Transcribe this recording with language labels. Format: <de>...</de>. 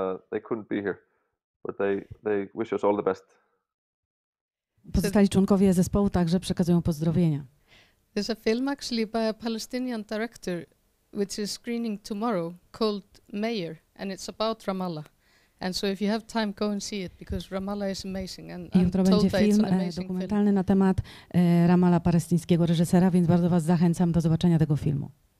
<en>They couldn't be here, but they wish us all the best.</en> <pl>Pozostali członkowie zespołu także przekazują pozdrowienia.</pl> <en>There's a film actually by a Palestinian director, which is screening tomorrow, called Mayor, and it's about Ramallah. And so if you have time, go and see it, because Ramallah is amazing, and I'm told that it's an amazing film.</en> <pl>Dokumentalny na temat Ramallah palestyńskiego reżysera, więc bardzo was zachęcam do zobaczenia tego filmu.</pl>